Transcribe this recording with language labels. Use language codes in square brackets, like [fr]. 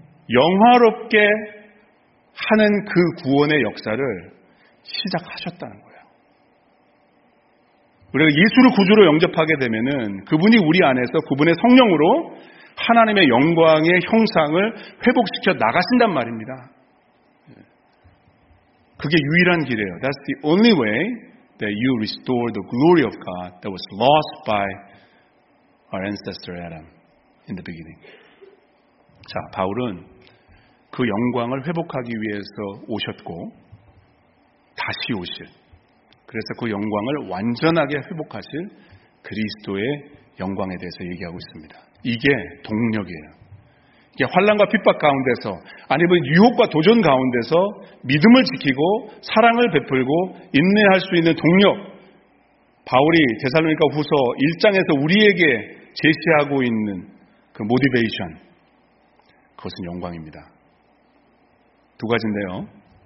[ko] 영화롭게 하는 그 구원의 역사를 시작하셨다는 거예요. 우리가 예수를 구주로 영접하게 되면은 그분이 우리 안에서 그분의 성령으로 하나님의 영광의 형상을 회복시켜 나가신단 말입니다. 그게 유일한 길이에요. [en] That's the only way that you restore the glory of God that was lost by our ancestor Adam in the beginning. [ko] 자, 바울은 그 영광을 회복하기 위해서 오셨고 다시 오실, 그래서 그 영광을 완전하게 회복하실 그리스도의 영광에 대해서 얘기하고 있습니다. 이게 동력이에요. 이게 환난과 핍박 가운데서 아니면 유혹과 도전 가운데서 믿음을 지키고 사랑을 베풀고 인내할 수 있는 동력, 바울이 데살로니가 후서 1장에서 우리에게 제시하고 있는 그 모티베이션, 그것은 영광입니다. 두 가지인데요.